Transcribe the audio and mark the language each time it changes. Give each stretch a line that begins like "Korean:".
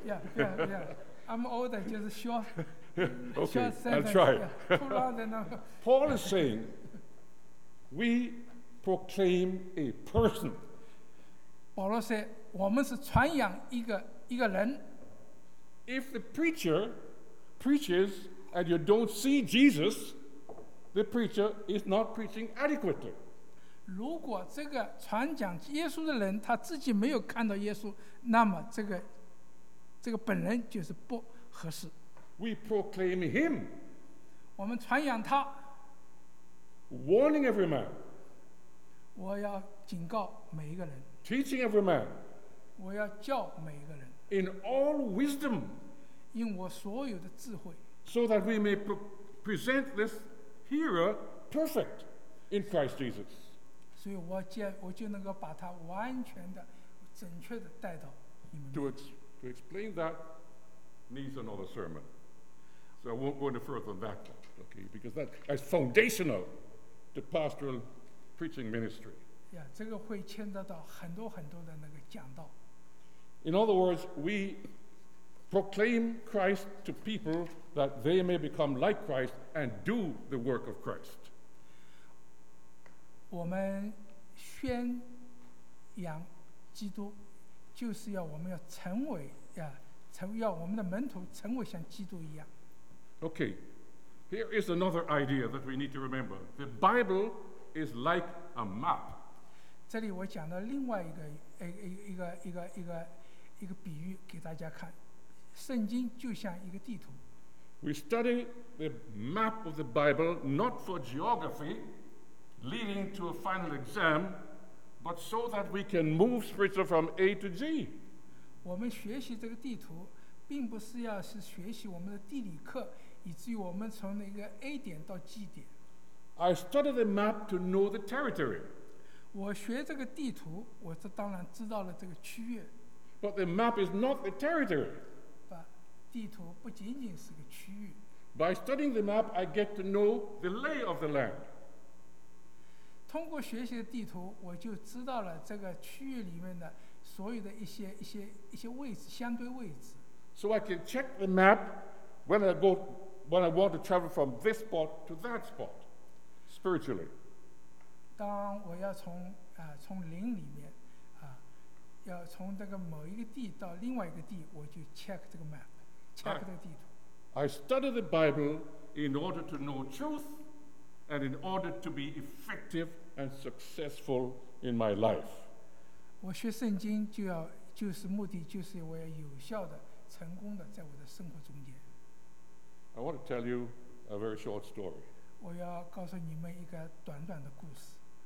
English: Yeah. I'm older, just short. Okay. Short sentence, I'll try. Too long, then. Paul is saying, we proclaim a person.
Chinese: 保罗说，我们是传扬一个人。
English: If the preacher preaches and you don't see Jesus, the preacher is not preaching adequately.
Chinese: 如果这个传讲耶稣的人他自己没有看到耶稣，那么这个本人就是不合适。
English: We proclaim him.
Chinese: 我们传扬他。
English: Warning every man.
Chinese: 我要警告每一个人。
English: Teaching every man.
Chinese: 我要教每一个人。
English: In all wisdom,
Chinese: 用我所有的智慧
English: so that we may present this hearer perfect in Christ Jesus.
Chinese: 所以我就能够把它完全的准确的带到你们。
English: To explain that needs another sermon. So I won't go any further than that, okay? Because that is foundational to pastoral preaching ministry.
Chinese: Yeah, 这个会牵扯到很多很多的那个讲道。
English: In other words, we proclaim Christ to people that they may become like Christ and do the work of Christ.
Chinese: 我们宣扬基督，就是要我们要成为呀，成要我们的门徒成为像基督一样。
English: Okay, here is another idea that we need to remember. The Bible is like a map.
Chinese: 这里我讲的另外一个比喻给大家看，圣经就像一个地图。
English: We study the map of the Bible not for geography, leading to a final exam, but so that we can move spiritually from A to G.
Chinese: 我们学习这个地图，并不是要是学习我们的地理课，以至于我们从那个 A 点到 G 点。
English: I study the map to know the territory.
Chinese: 我学这个地图，我这当然知道了这个区域。
English: But the map is not the territory.
Chinese: 地图不仅仅是个区域。
English: By studying the map, I get to know the lay of the land.
Chinese: 通过学习的地图，我就知道了这个区域里面的所有的一些位置，相对位置。
English: So I can check the map when I want to travel from this spot to that spot, spiritually.
Chinese: 当我要从灵里面。要从这个某一个地到另外一个地，我就 check 这个 map， check 这个地图。
English: I study the Bible in order to know truth, and in order to be effective and successful in my life.
Chinese: 我学圣经就是目的，就是我要有效的、成功的在我的生活中间。
English: I want to tell you a very short story.
Chinese: 我要告诉你们一个短短的故事。